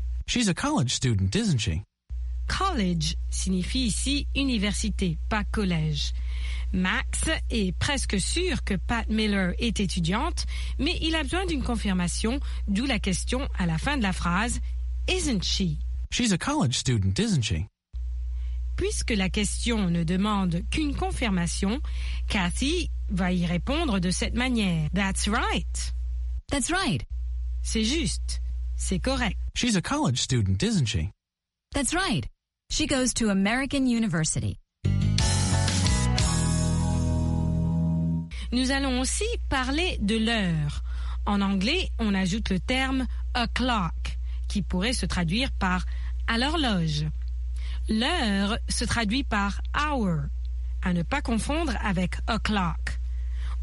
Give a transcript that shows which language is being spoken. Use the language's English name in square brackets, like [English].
[English] She's a college student, isn't she? [French] College signifie ici université, pas collège. Max est presque sûr que Pat Miller est étudiante, mais il a besoin d'une confirmation, d'où la question à la fin de la phrase « [English] Isn't she? » She's a college student, isn't she? [French] Puisque la question ne demande qu'une confirmation, Kathy va y répondre de cette manière. [English] That's right. That's right. [French] C'est juste. C'est correct. [English] She's a college student, isn't she? That's right. She goes to American University. [French] Nous allons aussi parler de l'heure. En anglais, on ajoute le terme « o'clock » qui pourrait se traduire par « à l'horloge ». L'heure se traduit par « hour » à ne pas confondre avec « o'clock ».